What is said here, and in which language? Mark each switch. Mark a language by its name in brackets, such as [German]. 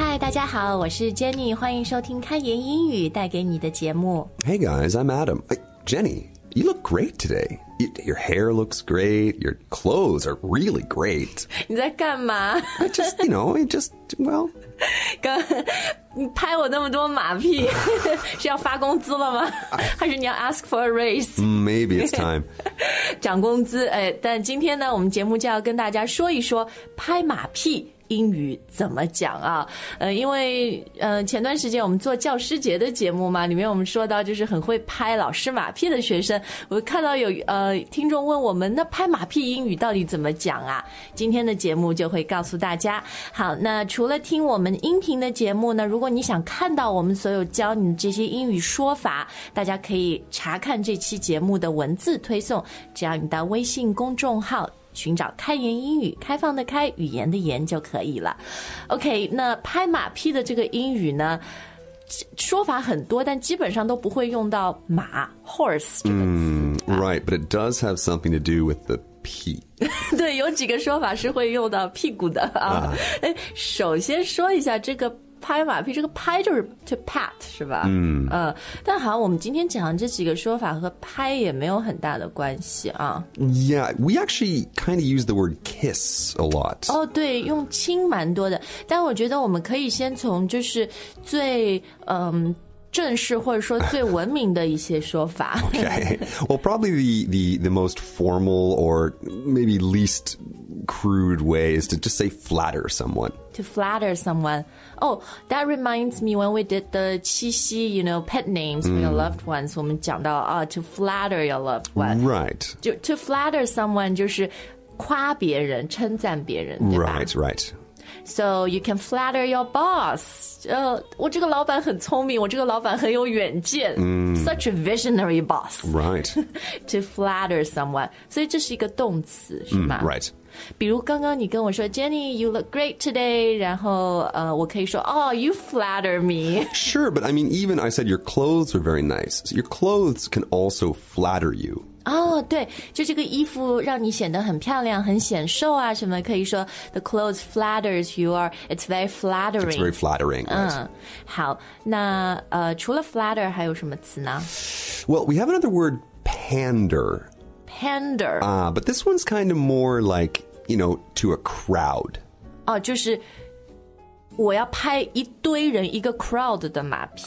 [Chinese] 家好，我是 Jenny， 欢迎收听开言英语带给你的节目。 [English] Hey guys, I'm Adam. Jenny, you look great today. Your hair looks great. Your clothes are really great. 你在干嘛？ I just, well. [Chinese] 刚你拍我那么多马屁，是要发工资了吗？还是你要 [English] ask for a raise? Maybe it's time. [Chinese] 涨工资，哎，但今天呢，我们节目就要跟大家说一说拍马屁。英语怎么讲啊？因为前段时间我们做教师节的节目嘛，里面我们说到就是很会拍老师马屁的学生，我看到有听众问我们，那拍马屁英语到底怎么讲啊？今天的节目就会告诉大家。好，那除了听我们音频的节目呢，如果你想看到我们所有教你这些英语说法，大家可以查看这期节目的文字推送，只要你到微信公众号寻找开言英语，开放的开，语言的言就可以了。 OK， 那拍马屁的这个英语呢，说法很多，但基本上都不会用到马 horse 这个词。 [English] Right, but it does have something to do with the屁. [Chinese] 对，有几个说法是会用到屁股的啊。首先说一下这个拍马屁，这个拍就是 [English] to pat [Chinese] 是吧？但好，我们今天讲的这几个说法和拍也没有很大的关系啊。 [English] Yeah, we actually kind of use the word kiss a lot. [Chinese] 哦，对，用亲蛮多的，但我觉得我们可以先从就是最正式或者说最文明的一些说法。 [English] Okay, well, probably the most formal or maybe least crude way is to just say flatter someone. To flatter someone. Oh, that reminds me when we did the 七夕, you know, pet names for your loved ones. [Chinese] 我们讲到啊, [English] to flatter your loved one. Right. To flatter someone [Chinese] 就是夸别人，称赞别人，对吧? [English] Right, right. So you can flatter your boss. [Chinese] 我这个老板很聪明，我这个老板很有远见。 [English] Such a visionary boss. Right. To flatter someone. [Chinese] 所以这是一个动词，是吗？ [English] Right. [Chinese] 比如刚刚你跟我说 , [English] Jenny, you look great today. [Chinese] 然后我可以说 , [English] Oh, you flatter me. Sure, but I mean, even I said your clothes are very nice. So your clothes can also flatter you. [Chinese] 哦、oh, 对，就这个衣服让你显得很漂亮，很显瘦啊什么，可以说 [English] the clothes flatters you or it's very flattering. It's very flattering, right. [Chinese] 好，那除了 flatter 还有什么词呢？ [English] Well, we have another word, pander. Pander. But this one's kind of more like, you know, to a crowd. [Chinese] 哦、就是我要拍一堆人，一个 crowd 的马屁。